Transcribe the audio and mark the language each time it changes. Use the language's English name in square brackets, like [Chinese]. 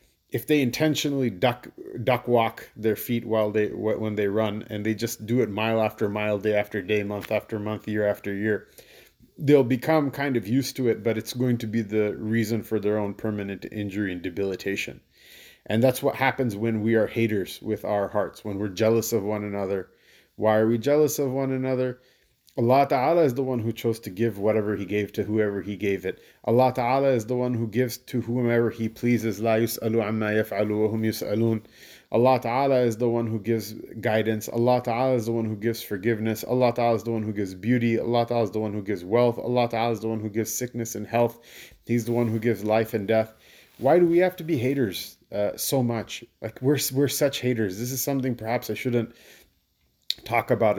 [English] If they intentionally duck walk their feet while they when they run, and they just do it mile after mile, day after day, month after month, year after year, they'll become kind of used to it, but it's going to be the reason for their own permanent injury and debilitation. And that's what happens when we are haters with our hearts, when we're jealous of one another. Why are we jealous of one another? Allah Ta'ala is the one who chose to give whatever He gave to whoever He gave it. Allah Ta'ala is the one who gives to whomever He pleases. [Arabic] لا يسألوا عما يفعلوا وهم يسألون. [English] Allah Ta'ala is the one who gives guidance. Allah Ta'ala is the one who gives forgiveness. Allah Ta'ala is the one who gives beauty. Allah Ta'ala is the one who gives wealth. Allah Ta'ala is the one who gives sickness and health. He's the one who gives life and death. Why do we have to be haters so much? Like we're such haters. This is something perhaps I shouldn't talk about.